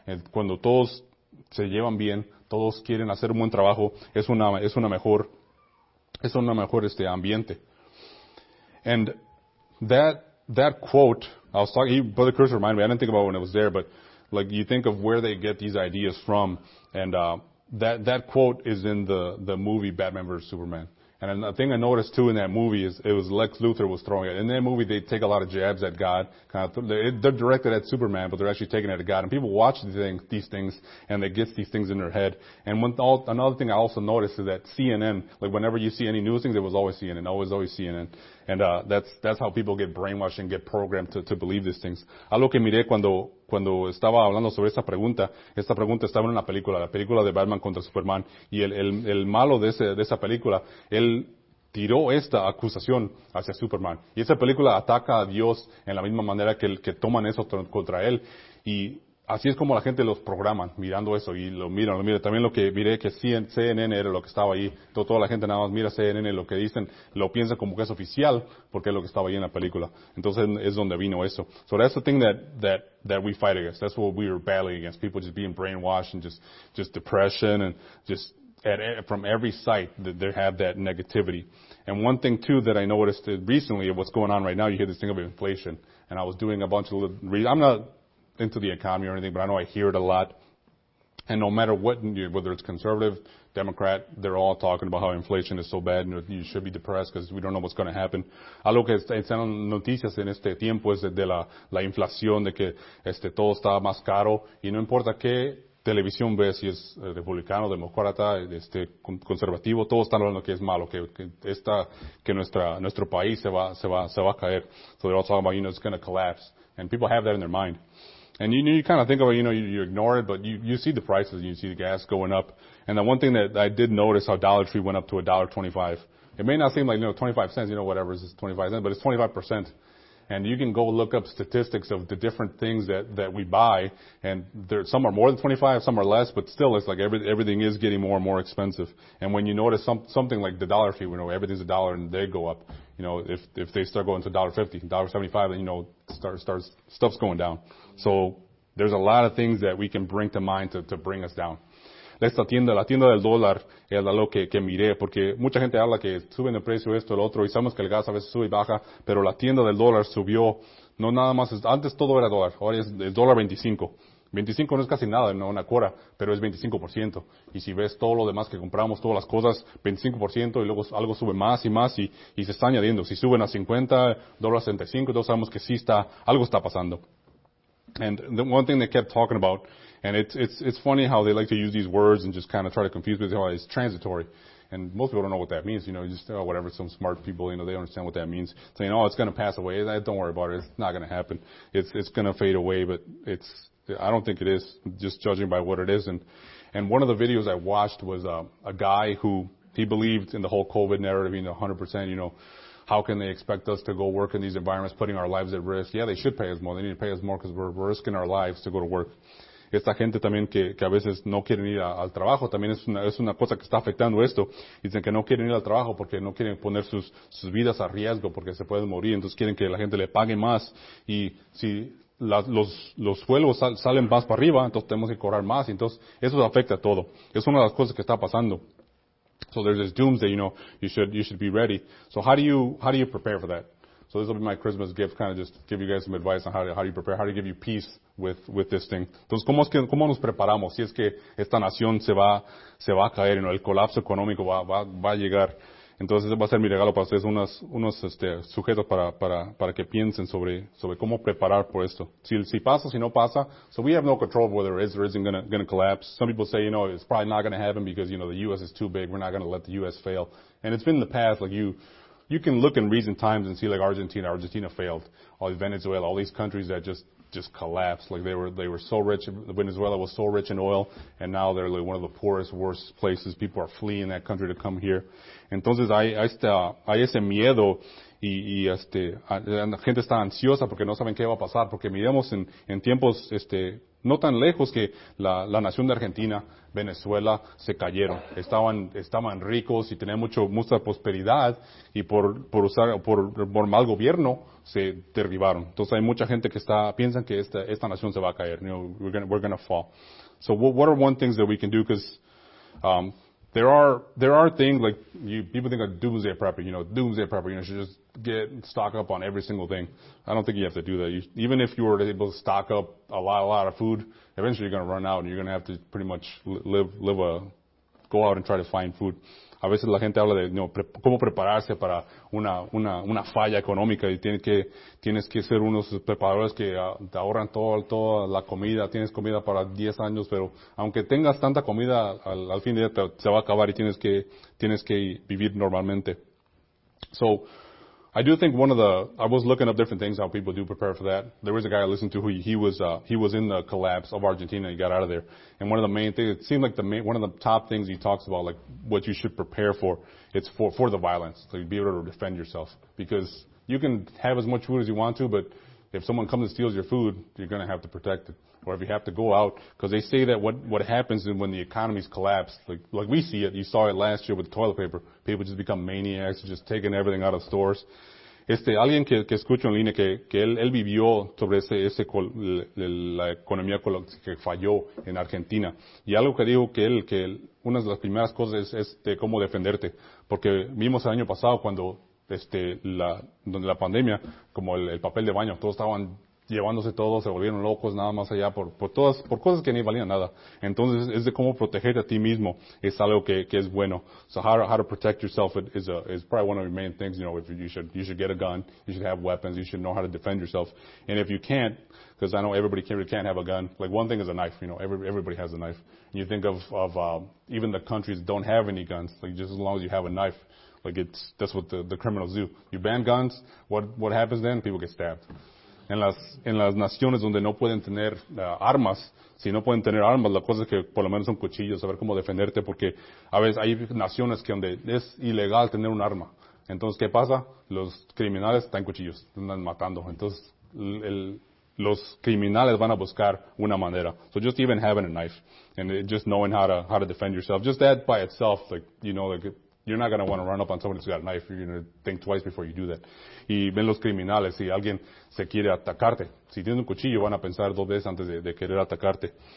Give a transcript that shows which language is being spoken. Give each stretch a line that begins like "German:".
Spanish: Cuando todos se llevan bien, todos quieren hacer un buen trabajo, es una mejor ambiente.
English: And that quote, I was talking, Brother Chris reminded me, I didn't think about it when it was there, but like you think of where they get these ideas from, and that quote is in the movie Batman vs. Superman. And a thing I noticed too in that movie is it was Lex Luthor was throwing it. In that movie, they take a lot of jabs at God. Kind of they're directed at Superman, but they're actually taking it at God. And people watch these things, and they get these things in their head. And another thing I also noticed is that CNN, like whenever you see any news things, it was always CNN, always CNN. And that's how people get brainwashed and get programmed to believe these things.
Spanish: Algo que miré cuando estaba hablando sobre esta pregunta estaba en la película de Batman contra Superman, y el malo de esa película, él tiró esta acusación hacia Superman. Y esa película ataca a Dios en la misma manera que toman eso contra él. Y así es como la gente los programa, mirando eso, y lo miran. También lo que miré, que CNN era lo que estaba ahí. Toda la gente nada más mira CNN, lo que dicen, lo piensa como que es oficial, porque es lo que estaba ahí en la película. Entonces es donde vino eso.
English: So that's the thing that we fight against. That's what we were battling against. People just being brainwashed and just depression and just from every site that they have that negativity. And one thing too that I noticed recently, what's going on right now, you hear this thing of inflation. And I was doing a bunch of I'm not into the economy or anything, but I know I hear it a lot. And no matter what, whether it's conservative, Democrat, they're all talking about how inflation is so bad and you should be depressed because we don't know what's going to happen.
Spanish: Algo que están noticias en este tiempo es de la inflación, de que todo está más caro, y no importa qué televisión ves, si es republicano, demócrata, conservativo, todos están hablando que es malo, que nuestro país se va a caer.
English: So they're all talking about, you know, it's going to collapse. And people have that in their mind. And you kind of think of it, you know, you ignore it, but you see the prices, and you see the gas going up. And the one thing that I did notice, how Dollar Tree went up to $1.25. It may not seem like, you know, 25 cents, you know, whatever, it's 25 cents, but it's 25%. And you can go look up statistics of the different things that we buy, and there, some are more than 25, some are less, but still it's like everything is getting more and more expensive. And when you notice something like the dollar fee, you know, everything's a dollar and they go up. You know, if they start going to $1.50, $1.75, then you know, starts stuff's going down. So there's a lot of things that we can bring to mind to bring us down.
Spanish: Esta tienda, la tienda del dólar, es algo que miré, porque mucha gente habla que suben el precio esto, el otro, y sabemos que el gas a veces sube y baja, pero la tienda del dólar subió, no nada más, antes todo era dólar, ahora es el dólar 25. 25 no es casi nada, no una cuora, pero es 25%. Y si ves todo lo demás que compramos, todas las cosas, 25%, y luego algo sube más y más, y se está añadiendo. Si suben a 50, dólar 65, entonces sabemos que sí está, algo está pasando.
English: And the one thing they kept talking about, and it's funny how they like to use these words and just kind of try to confuse people. It's transitory. And most people don't know what that means. You know, just, oh, whatever, some smart people, you know, they understand what that means. Saying, oh, it's going to pass away. Don't worry about it. It's not going to happen. It's going to fade away, but I don't think it is, just judging by what it is. And one of the videos I watched was a guy who, he believed in the whole COVID narrative, you know, 100%, you know, how can they expect us to go work in these environments, putting our lives at risk? Yeah, they should pay us more. They need to pay us more because we're risking our lives to go to work.
Spanish: Esta gente también que a veces no quieren ir al trabajo, también es una cosa que está afectando esto. Dicen que no quieren ir al trabajo porque no quieren poner sus vidas a riesgo porque se pueden morir. Entonces quieren que la gente le pague más. Y si los sueldos salen más para arriba, entonces tenemos que cobrar más. Entonces eso afecta a todo. Es una de las cosas que está pasando.
English: So there's this doomsday, you know, you should be ready. So how do you prepare for that? So this will be my Christmas gift, kind of just give you guys some advice on how do you prepare, how do you give you peace with this thing.
Spanish: Entonces, ¿cómo nos preparamos si es que esta nación se va a caer,
English: you know,
Spanish: el colapso económico va a llegar? Entonces, ese va a ser mi regalo para ustedes, unos sujetos para que piensen sobre cómo preparar por esto. Si pasa, si no pasa.
English: So we have no control of whether it is or isn't gonna collapse. Some people say, you know, it's probably not gonna happen because, you know, the U.S. is too big. We're not gonna let the U.S. fail. And it's been in the past, like you can look in recent times and see like Argentina failed. All Venezuela, all these countries that just collapsed. Like they were so rich. Venezuela was so rich in oil, and now they're like one of the poorest, worst places. People are fleeing that country to come here.
Spanish: Entonces hay ese miedo y la gente está ansiosa porque no saben qué va a pasar, porque miramos en tiempos no tan lejos que la nación de Argentina, Venezuela, se cayeron. Estaban ricos y tenían mucha prosperidad, y por mal gobierno se derribaron. Entonces hay mucha gente que piensa que esta nación se va a caer.
English: You know, we're gonna fall. So what are one things that we can do? Because there are things like people think of doomsday prepping. You know, doomsday prepping. You know, you should just get stock up on every single thing. I don't think you have to do that. Even if you were able to stock up a lot of food, eventually you're gonna run out, and you're gonna have to pretty much live a go out and try to find food.
Spanish: A veces la gente habla de,
English: you know,
Spanish: cómo prepararse para una falla económica, y tienes que ser unos preparadores que te ahorran toda la comida, tienes comida para 10 años, pero aunque tengas tanta comida, al fin de día se va a acabar y tienes que vivir normalmente.
English: So, I do think I was looking up different things, how people do prepare for that. There was a guy I listened to who he was in the collapse of Argentina and he got out of there. And one of the main things, it seemed like one of the top things he talks about, like what you should prepare for, it's for the violence. So you'd be able to defend yourself. Because you can have as much food as you want to, but if someone comes and steals your food, you're gonna have to protect it. Or if you have to go out, because they say that what happens when the economies collapse, like we see it, you saw it last year with toilet paper, people just become maniacs, just taking everything out of stores.
Spanish: Alguien que escucho en línea que él vivió sobre ese la economía que falló en Argentina. Y algo que dijo que una de las primeras cosas es de cómo defenderte. Porque vimos el año pasado cuando la pandemia, como el papel de baño, todos estaban llevándose todo, se volvieron locos, nada más allá, por cosas que ni valían nada. Entonces, es de cómo protegerte a ti mismo, es algo que es bueno.
English: So how to protect yourself is probably one of your main things, you know, if you should get a gun, you should have weapons, you should know how to defend yourself. And if you can't, because I know everybody can't have a gun, like one thing is a knife, you know, everybody has a knife. And you think of even the countries don't have any guns, like just as long as you have a knife, like that's what the criminals do. You ban guns, what happens then? People get stabbed.
Spanish: En las naciones donde no pueden tener armas, si no pueden tener armas, la cosa es que por lo menos un cuchillo, saber cómo defenderte, porque a veces hay naciones que donde es ilegal tener un arma. Entonces, ¿qué pasa? los criminales están cuchillos, están matando. Entonces, los criminales van a buscar una manera.
English: So just even having a knife and just knowing how to defend yourself, just that by itself, like, you know, like, you're not going to want to run up on someone who's got a knife. You're going to think twice before you do that.
Spanish: Y ven los criminales, si alguien se quiere atacarte. Si tienes un cuchillo, van a pensar dos veces antes de querer atacarte.